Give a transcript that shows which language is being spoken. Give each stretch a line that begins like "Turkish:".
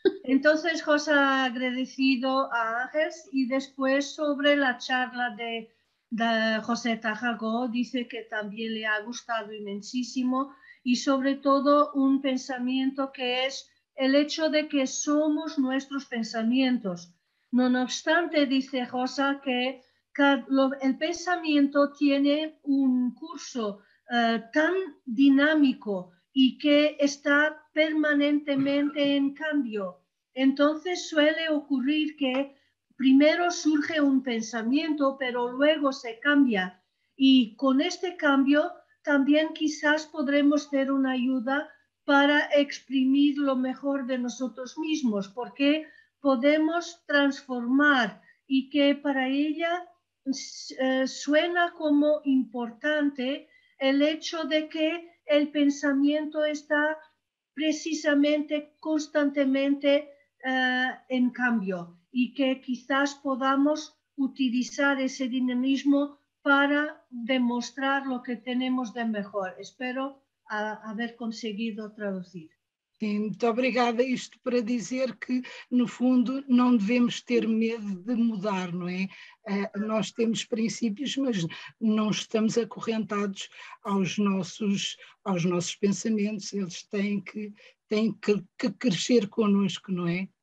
Portuguese: Então, Rosa, agradecido a Ángeles e depois sobre a charla de José Tarragó, disse que também lhe
Spanish: ha gustado
Portuguese: imensíssimo e, sobretudo, um pensamento que é
Spanish: el hecho de que somos nuestros pensamientos. No obstante, dice Rosa, que el pensamiento tiene un curso tan dinámico y que está permanentemente en cambio. Entonces suele ocurrir que primero surge un pensamiento, pero luego se cambia. Y con este cambio también quizás podremos tener una ayuda para exprimir lo mejor de nosotros mismos, porque podemos transformar y que para ella suena como importante el hecho de que el pensamiento está precisamente constantemente en cambio y que quizás podamos utilizar ese dinamismo para demostrar lo que tenemos de mejor. Espero haber conseguido traducir.
Portuguese: Sim, muito obrigada. Isto para dizer que, no fundo, não devemos ter medo de mudar, não é? Nós temos princípios, mas não estamos acorrentados aos nossos pensamentos. Eles têm que crescer connosco, não é?